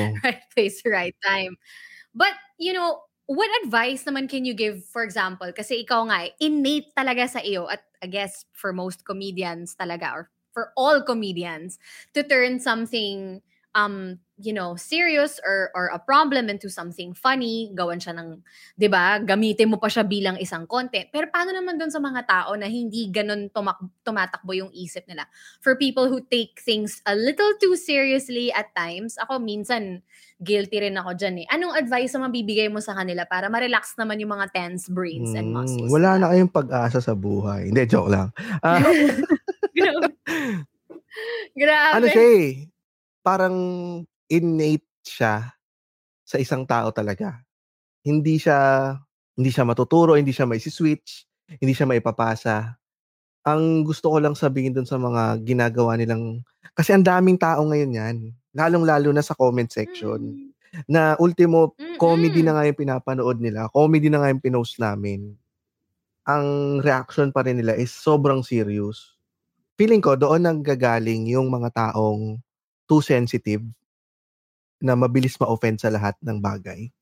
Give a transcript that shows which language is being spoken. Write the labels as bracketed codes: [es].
[en] Right place, right time. But, you know, what advice naman can you give, for example, kasi ikaw nga, innate talaga sa iyo, at I guess for most comedians talaga, or for all comedians, to turn something, you know, serious or a problem into something funny, gawan siya ng, di ba, gamitin mo pa siya bilang isang content. [tl] Pero paano naman dun sa mga tao na hindi ganun tumatakbo yung isip nila? [en] For people who take things a little too seriously at times, [tl] ako minsan guilty rin ako dyan eh. Anong advice na mabibigay mo sa kanila para ma-relax naman yung mga [en] tense brains and muscles? [tl] Wala na kayong pag-asa sa buhay. Hindi, joke lang. Grabe. Ano siya eh? Parang innate siya sa isang tao talaga. Hindi siya matuturo, hindi siya may switch, hindi siya maipapasa. Ang gusto ko lang sabihin dun sa mga ginagawa nilang, kasi ang daming tao ngayon yan, lalong-lalo na sa comment section, na ultimo, comedy na nga yung pinapanood nila, comedy na nga yung pinost namin. Ang reaction pa rin nila [en] is [tl] sobrang serious. Feeling ko, doon ang gagaling yung mga taong [en] too sensitive [tl] na mabilis ma-offend sa lahat ng bagay.